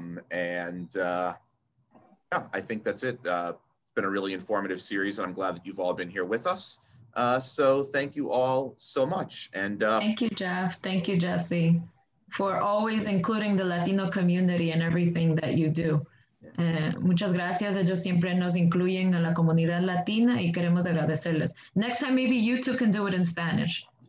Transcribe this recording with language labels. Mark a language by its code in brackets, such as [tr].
[en] Yeah, I think that's it. Been a really informative series, and I'm glad that you've all been here with us. So thank you all so much. And thank you, Jeff. Thank you, Jesse, for always including the Latino community in everything that you do. [es] Muchas gracias. Ellos siempre nos incluyen a la comunidad latina y queremos agradecerles. [en] Next time, maybe you two can do it in Spanish.